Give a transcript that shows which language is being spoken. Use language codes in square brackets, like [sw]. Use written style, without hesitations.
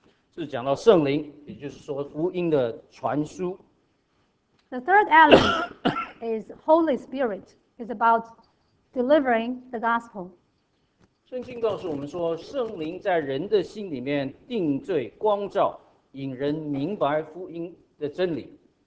[zh] 是讲到圣灵，也就是说福音的传输。 [en] The third element is Holy Spirit. It's about delivering the gospel. [zh] 圣经告诉我们说，圣灵在人的心里面定罪、光照，引人明白福音的真理。